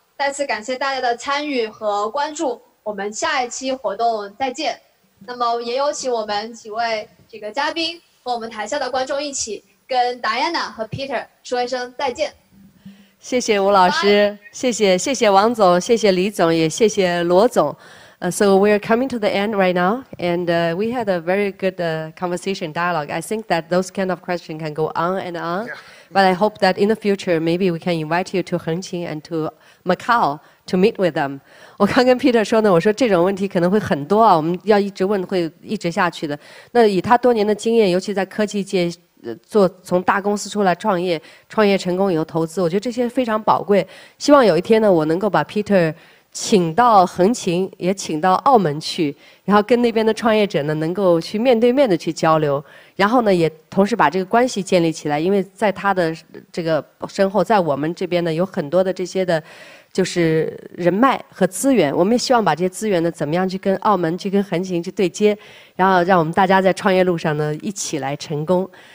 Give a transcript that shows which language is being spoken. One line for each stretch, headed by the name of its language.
Chinese: 再次感谢大家的参与和关注，我们下一期活动再见。那么也有请我们几位这个嘉宾和我们台下的观众一起跟 Diana 和 Peter 说一声再见。谢谢吴老师，谢谢王总，谢谢李总，也谢谢罗总。
English: So we are coming to the end right now, and we had a very good conversation, dialogue. I think that those kind of questions can go on and on. Yeah. But I hope that in the future, maybe we can invite you to Hengqin and to Macau to meet with them.
Chinese: 我刚跟 Peter 说呢，我说这种问题可能会很多啊，我们要一直问，会一直下去的。那以他多年的经验，尤其在科技界做，从大公司出来创业，创业成功以后投资，我觉得这些非常宝贵。希望有一天呢，我能够把 Peter请到横琴，也请到澳门去，然后跟那边的创业者呢能够去面对面的去交流，然后呢也同时把这个关系建立起来。因为在他的这个身后，在我们这边呢有很多的这些的就是人脉和资源，我们也希望把这些资源呢怎么样去跟澳门，去跟横琴去对接，然后让我们大家在创业路上呢一起来成功。